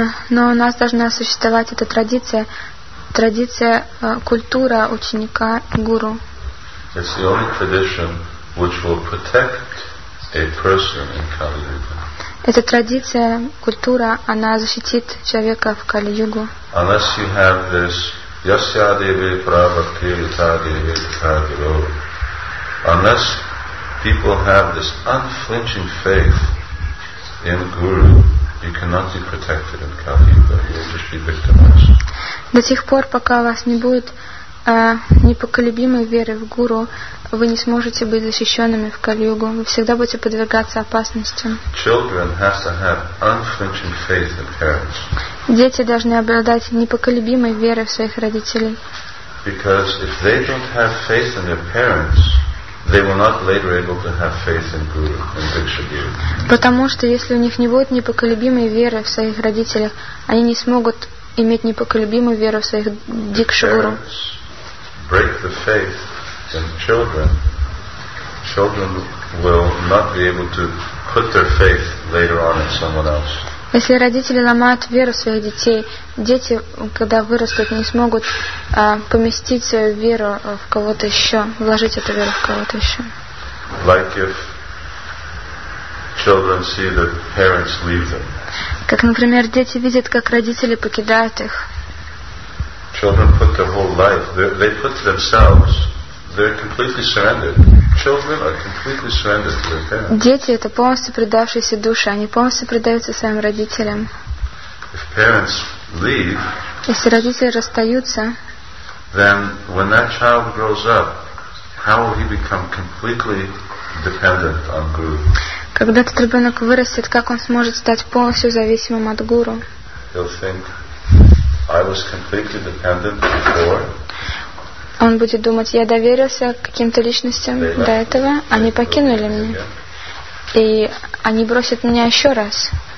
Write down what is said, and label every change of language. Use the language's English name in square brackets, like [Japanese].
[Russian] Но у нас должна существовать эта традиция, традиция культура ученика гуру. [English] It's the only tradition which will protect a person in Kali Yuga. [Russian] Эта традиция, культура, она защитит человека в Кали-Югу. [English] Unless you have this [Sanskrit] Yasya Devi Prabhakti Yita Devi Kadiro. [English] Unless people have this unflinching faith in Guru, you cannot be protected in Kali Yuga. You will just be victimized. [Russian] До тех пор, пока у вас не будет непоколебимой веры в Гуру, вы не сможете быть защищенными в Кали-Югу. Вы всегда будете подвергаться опасностям. [English] Children have to have unflinching faith in parents. [Russian] Дети должны обладать непоколебимой верой в своих родителей. [English] Because if they don't have faith in their parents, they will not later able to have faith in Guru and Diksha Guru. [Russian] Потому что если у них не будет непоколебимой веры в своих родителях, они не смогут иметь непоколебимую веру в своих Дикшу Гуру. [English] Break the faith in children. Children will not be able to put their faith later on in someone else. [Russian] Если родители ломают веру своих детей, дети, когда вырастут, не смогут поместить свою веру в кого-то еще, вложить эту веру в кого-то еще. [English] Like if children see that parents leave them. [Russian] Как, например, дети видят, как родители покидают их. [English] Children put their whole life, they put themselves, they're completely surrendered. Children are completely surrendered to their parents. [Russian] Дети — это полностью предавшиеся души, они полностью предаются своим родителям. [English] If parents leave, [Russian] если родители расстаются, [English] then when that child grows up, how will he become completely dependent on Guru? [Russian] Когда этот ребенок вырастет, как он сможет стать полностью зависимым от Гуру? [English] He'll think, I was completely dependent before. [Russian] Он будет думать, я доверился каким-то личностям до этого, они покинули меня. И они бросят меня еще раз.